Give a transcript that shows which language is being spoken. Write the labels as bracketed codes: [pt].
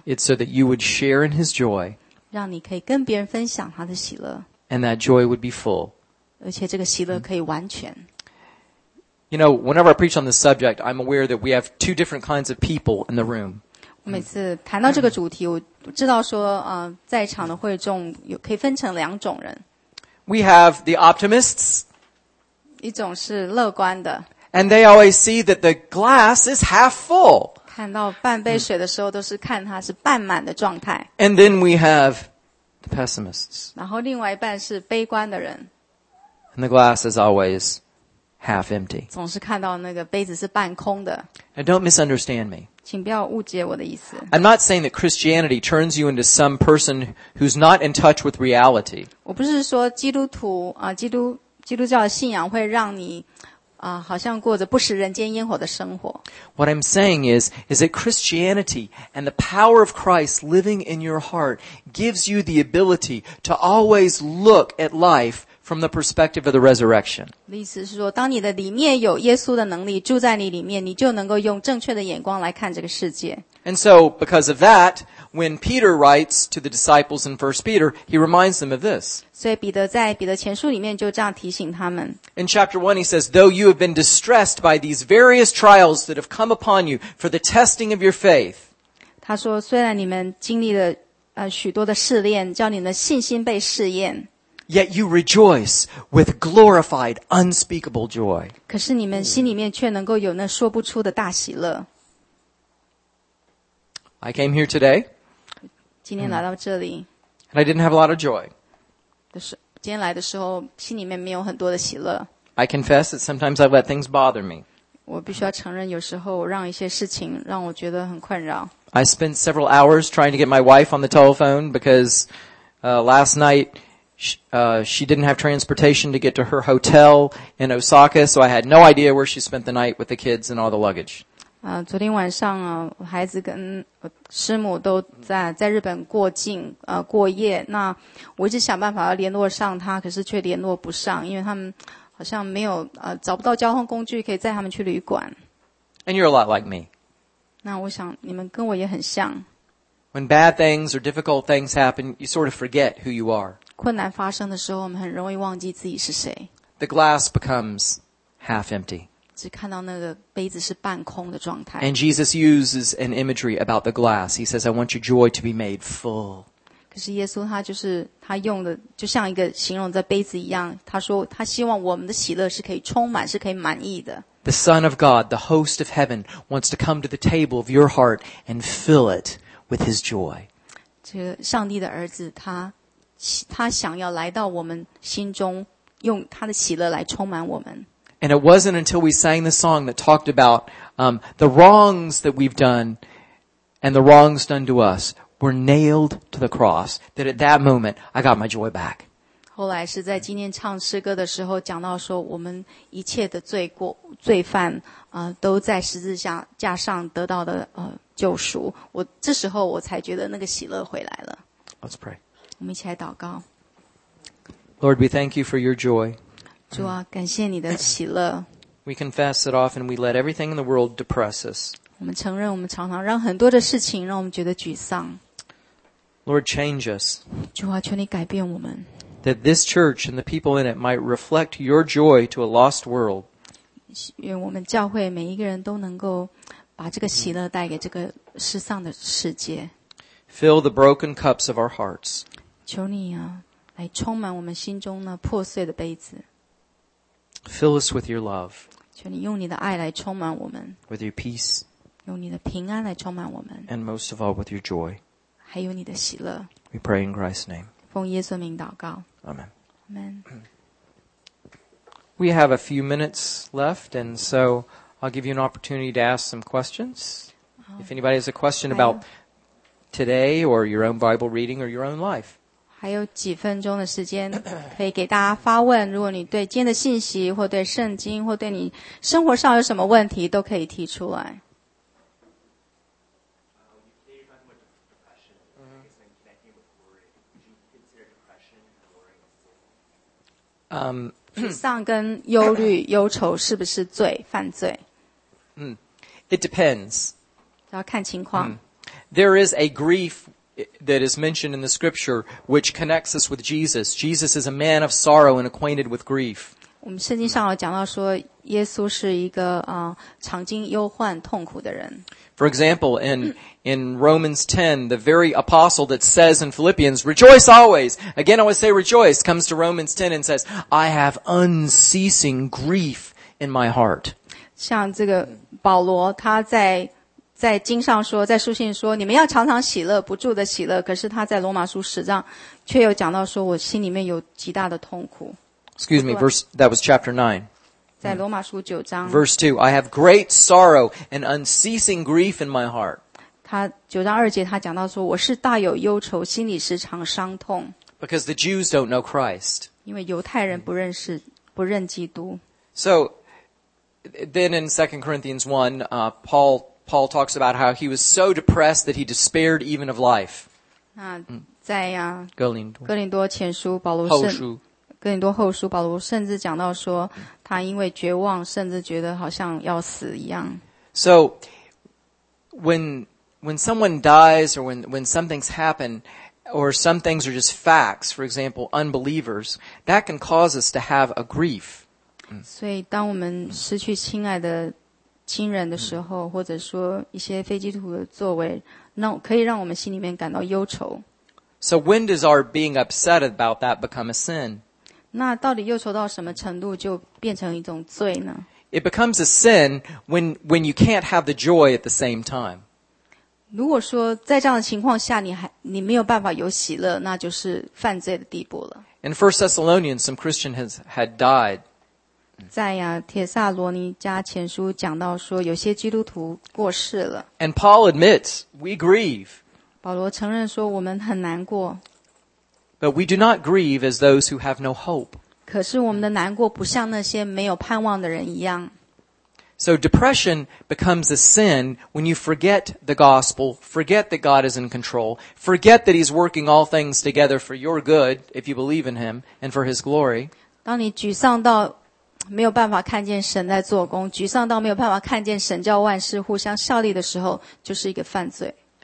[en] It's so that you would share in His joy. [zh] 让你可以跟别人分享他的喜乐。 [en] And that joy would be full. [zh] 而且这个喜乐可以完全。 [en] You know, whenever I preach on this subject, I'm aware that we have two different kinds of people in the room. [zh] 我每次谈到这个主题，我知道说，在场的会众有可以分成两种人。 [en] We have the optimists. [zh] 一种是乐观的。 [en] And they always see that the glass is half full. [zh] 看到半杯水的时候，都是看它是半满的状态。 [en] And then we have the pessimists. [zh] 然后另外一半是悲观的人。 [en] And the glass is always half empty. [zh] 总是看到那个杯子是半空的。 [en] And don't misunderstand me. [zh] 请不要误解我的意思。 [en] I'm not saying that Christianity turns you into some person who's not in touch with reality. [zh] 我不是说基督徒基督教的信仰会让你好像过着不食人间烟火的生活。 [en] What I'm saying is that Christianity and the power of Christ living in your heart gives you the ability to always look at life from the perspective of the resurrection. [zh] 意思是说，当你的里面有耶稣的能力住在你里面，你就能够用正确的眼光来看这个世界。 [en] And so, because of that, when Peter writes to the disciples in 1 Peter, he reminds them of this. [zh] 所以彼得在彼得前书里面就这样提醒他们。 [en] In chapter 1, he says, though you have been distressed by these various trials that have come upon you for the testing of your faith. [zh] 他说，虽然你们经历了许多的试炼，叫你们的信心被试验。 [en] Yet you rejoice with glorified, unspeakable joy. [zh] 可是你们心里面却能够有那说不出的大喜乐。 [en] I came here today. [zh] 今天来到这里。 [en] And I didn't have a lot of joy. [zh] 今天来的时候，心里面没有很多的喜乐。 [en] I confess that sometimes I let things bother me. [zh] 我必须要承认，有时候让一些事情让我觉得很困扰。 [en] I spent several hours trying to get my wife on the telephone because last night, she didn't have transportation to get to her hotel in Osaka, so I had no idea where she spent the night with the kids and all the luggage. [zh] 昨天晚上孩子跟师母都在日本过境过夜，那我一直想办法要联络上她，可是却联络不上，因为他们好像没有找不到交通工具可以载他们去旅馆。 [en] And you're a lot like me. [zh] 那我想你们跟我也很像。 [en] When bad things or difficult things happen, you sort of forget who you are. [zh] 困难发生的时候，我们很容易忘记自己是谁。 [en] The glass becomes half empty. [zh] 只看到那个杯子是半空的状态。 [en] And Jesus uses an imagery about the glass. He says, "I want your joy to be made full." [zh] 可是耶稣他就是他用的就像一个形容在杯子一样，他说他希望我们的喜乐是可以充满，是可以满意的。 [en] The Son of God, the host of heaven, wants to come to the table of your heart and fill it. With His joy. [zh] 这个上帝的儿子他想要来到我们心中用他的喜乐来充满我们。 [en] And it wasn't until we sang the song that talked about the wrongs that we've done and the wrongs done to us were nailed to the cross that at that moment I got my joy back. [zh] 后来是在今天唱诗歌的时候讲到说我们一切的罪过罪犯都在十字架上得到的救赎。我这时候我才觉得那个喜乐回来了。 [en] Let's pray. [zh] 我们一起来祷告。 [en] Lord, we thank you for your joy. [zh] 主啊，感谢你的喜乐。 [en] We confess that often we let everything in the world depress us. [zh] 我们承认我们常常让很多的事情让我们觉得沮丧。 [en] Lord, change us. [zh] 主啊，求你改变我们。 [en] That this church and the people in it might reflect your joy to a lost world. [zh] 愿我们教会每一个人都能够把这个喜乐带给这个失丧的世界。 [en] Fill the broken cups of our hearts. [zh] 求你啊，来充满我们心中那破碎的杯子。 [en] Fill us with your love. [zh] 求你用你的爱来充满我们。 [en] With your peace. [zh] 用你的平安来充满我们。 [en] And most of all, with your joy. [zh] 还有你的喜乐。 [en] We pray in Christ's name. [zh] 奉耶稣名祷告。 [en] Amen. Amen. We have a few minutes left, and so I'll give you an opportunity to ask some questions. If anybody has a question about today or your own Bible reading or your own life. [zh] 还有几分钟的时间可以给大家发问。如果你对今天的信息或对圣经或对你生活上有什么问题都可以提出来。沮丧跟忧虑、忧愁是不是罪、犯罪？ [en] It depends. [zh] 要看情况。 [en] There is a grief that is mentioned in the scripture which connects us with Jesus. Jesus is a man of sorrow and acquainted with grief. [zh] 我们圣经上有讲到说，耶稣是一个常经忧患、痛苦的人。 [en] For example, in Romans 10, the very apostle that says in Philippians, rejoice always. Again, I would say rejoice, comes to Romans 10 and says, I have unceasing grief in my heart. [zh] 像这个保罗他在经上说在书信说你们要常常喜乐不住的喜乐可是他在罗马书十章却又讲到说我心里面有极大的痛苦。 [en] Excuse me, that was chapter 9. [zh] 在罗马书九章 [en] Verse 2, I have great sorrow and unceasing grief in my heart. [zh] 他九章二节他讲到说我是大有忧愁心里时常伤痛 [en] Because the Jews don't know Christ. [zh] 因为犹太人不认基督 [en] So, then in 2 Corinthians 1, Paul talks about how he was so depressed that he despaired even of life. [zh] 那在呀、哥林多前书保罗后书哥林多后书保罗甚至讲到说他因为绝望甚至觉得好像要死一样。 [en] So, when someone dies or when something's happened or some things are just facts, for example, unbelievers, that can cause us to have a grief. [zh] 所以当我们失去亲爱的亲人的时候或者说一些非基督徒的作为可以让我们心里面感到忧愁。 [en] So when does our being upset about that become a sin? [zh] 那到底忧愁到什么程度就变成一种罪呢 [en] ？It becomes a sin when you can't have the joy at the same time. [zh] 如果说在这样的情况下你没有办法有喜乐，那就是犯罪的地步了。 [en] In 1 Thessalonians, some Christian had died. [zh] 在呀，帖撒罗尼迦前书讲到说，有些基督徒过世了。 [en] And Paul admits we grieve. [zh] 保罗承认说我们很难过。 [en] But we do not grieve as those who have no hope. [zh] 可是我们的难过不像那些没有盼望的人一样。 [en] So depression becomes a sin when you forget the gospel, forget that God is in control, forget that He's working all things together for your good, if you believe in Him, and for His glory. [zh] 当你沮丧到没有办法看见神在做工，沮丧到没有办法看见神叫万事互相效力的时候，就是一个犯罪。